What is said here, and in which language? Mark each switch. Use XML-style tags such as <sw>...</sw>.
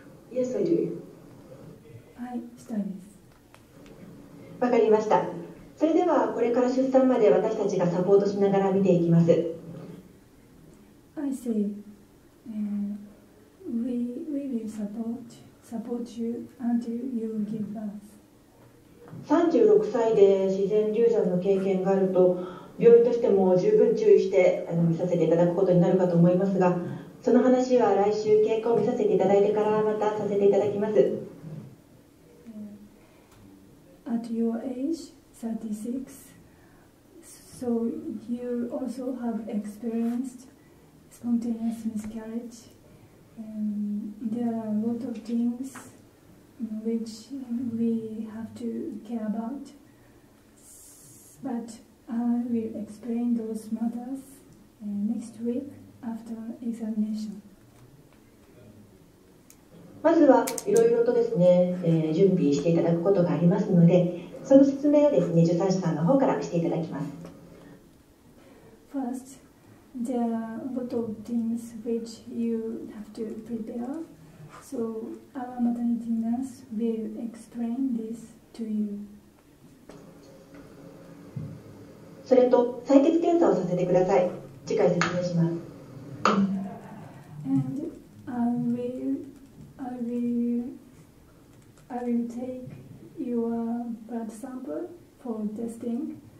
<en>Yes, I do.</en> <ja>はい、したいです。わかりました。それではこれから出産まで私たちがサポートしながら見ていきます。</ja> <en>I see. We will support you until you give birth.</en> <ja>36歳で自然流産の経験があると、病院としても十分注意して見させていただくことになるかと思いますが、その話は来週経過を見させていただいてからまたさせていただきます。</ja> <en>At your age, 36, so you also have experienced spontaneous miscarriage. There are a lot of things which we have to care about, but I will explain those matters next week.After examination.</en> <ja>まずはいろいろとですね、準備していただくことがありますので、その説明をですね、助産師さんの方からしていただきます。</ja> <en>First, there are a lot of things which you have to prepare. So our maternity nurse will explain this to you.</en> <ja>それと採血検査をさせてください。次回説明します。</ja> <en>And I will take your blood sample for testing.</en>